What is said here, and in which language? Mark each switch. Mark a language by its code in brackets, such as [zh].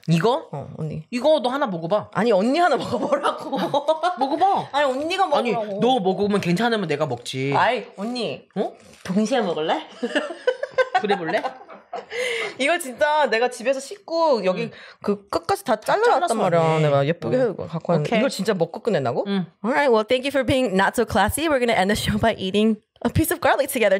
[ko] 이거? 어, 언니. 이거 너 하나 먹어봐. 아니, 언니 하나 먹어보라고. 먹어봐. 아니, 언니가 먹어라고. 아니, 너 먹으면 괜찮으면 내가 먹지. 아이, 언니. 어? 동시에 먹을래? 그래 볼래? 이거 진짜 내가 집에서 씻고 여기 그 끝까지 다 잘라놨단 말이야. 내가 예쁘게 갖고 왔는데. 이걸 진짜 먹고 끝냈나고? [en] Alright, well, thank you for being not so classy. We're gonna end the show by eating a piece of garlic together.